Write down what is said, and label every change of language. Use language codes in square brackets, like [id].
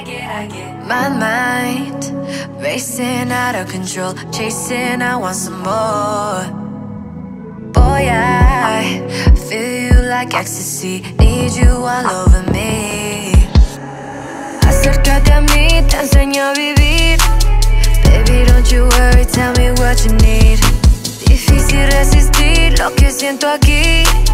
[en] I get. My mind racing out of control, chasing, I want some more. Boy, I feel you like ecstasy, need you all over me. [es] Acércate a mí, te enseño a vivir. [en] Baby, don't you worry, tell me what you need. [es] Difícil resistir lo que siento aquí.